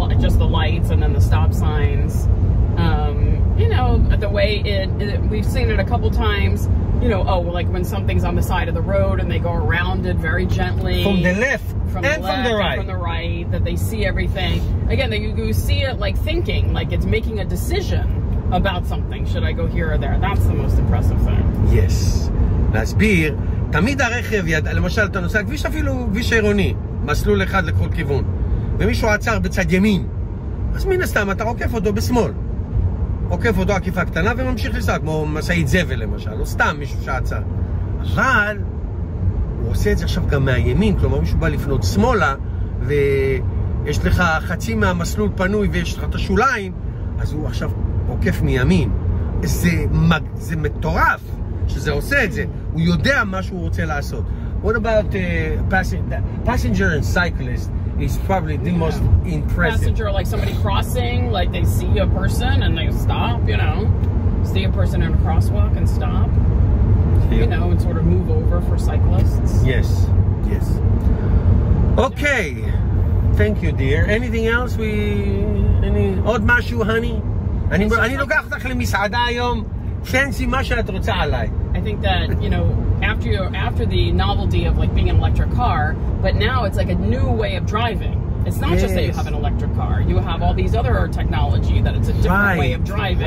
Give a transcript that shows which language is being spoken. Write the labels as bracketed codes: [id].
[en] Just the lights and then the stop signs. You know, the way it we've seen it a couple times, you know, oh, like when something's on the side of the road and they go around it very gently. From the left from the right. That they see everything. Again, that you see it like thinking, like it's making a decision about something. Should I go here or there? That's the most impressive thing. Yes. [he] להסביר, תמיד הרכב יד, למשל אתה נוסע כביש אפילו כביש עירוני, מסלול אחד לכל כיוון, ומישהו עצר בצד ימין, אז מן הסתם אתה עוקף אותו בשמאל, עוקף אותו עקיפה קטנה וממשיך לסעוק, כמו מסעית זבל למשל, או סתם מישהו שעצר, אבל הוא עושה את זה עכשיו גם מהימין, כלומר מישהו בא לפנות שמאלה ויש לך חצי מהמסלול פנוי ויש לך את השוליים, אז הוא עכשיו עוקף מימין. זה מטורף שזה עושה את זה, הוא יודע מה שהוא רוצה לעשות. [en] What about passenger and cyclist is probably the most impressive. Passenger, like somebody crossing, like they see a person and they stop, you know, see a person in a crosswalk and stop, yep. You know, and sort of move over for cyclists. Yes, yes. Okay, thank you, dear. Anything else [he] עוד משהו, [en] honey? [he] אני לוקח אותך למסעדה היום. [en] Fancy [he] מה שאת רוצה עליי. [en] I think that, you know, after the novelty of like being an electric car, but now it's like a new way of driving. It's not just that you have an electric car. You have all these other technology that it's a different way of driving.